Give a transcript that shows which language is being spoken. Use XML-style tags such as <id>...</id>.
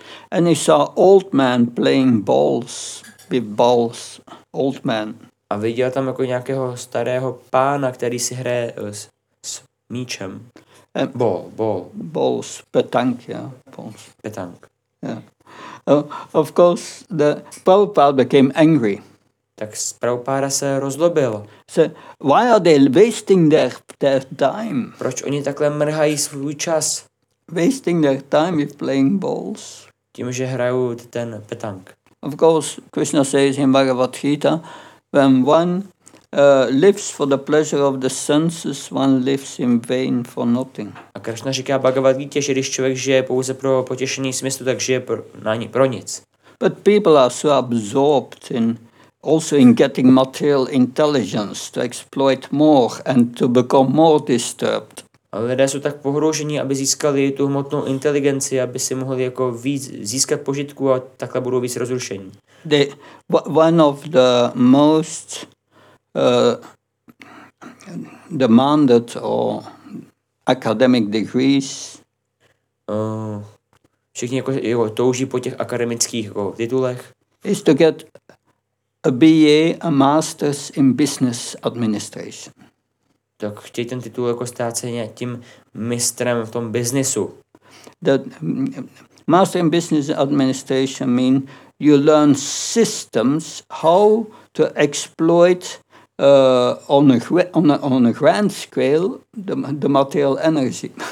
<en>And he saw old man playing balls with balls, old man.</en> <cs>A viděl tam jako nějakého starého pána, který si hraje s míčem.</cs> <en>Balls, petank, yeah. Balls.</en> <cs>Petank.</cs> <en>Yeah. Of course, the Prabhupada became angry.</en> <cs>Tak Prabhupada se rozlobil.</cs> <en>So, why are they wasting their time?</en> <cs>Proč oni takhle mrhají svůj čas?</cs> <en>Wasting their time with playing balls.</en> <cs>Tím, že hrajou ten petank.</cs> <en>Of course, Krishna says in Bhagavad Gita, when one lives for the pleasure of the senses, one lives in vain for nothing.</en> <cs>A Krishna říká Bhagavad Gita, že když člověk žije pouze pro potěšení smyslu, tak žije pro nic.</cs> <en>But people are so absorbed in also in getting material intelligence to exploit more and to become more disturbed.</en> <cs>Ale lidé jsou tak pohroužení, aby získali tu hmotnou inteligenci, aby si mohli jako víc získat požitku, a takhle budou víc rozrušení.</cs> <en>The one of the most demanded or academic degrees.</en> <cs>Všichni jako jeho touží po těch akademických jako titulech.</cs> <en>Is to get a BA, a master's in business administration.</en> <cs>Tak chtějí ten titul jako stát se nějakým mistrem v tom biznisu.</cs> <en>Master in business administration mean you learn systems how to exploit on a grand scale the material energy.</en>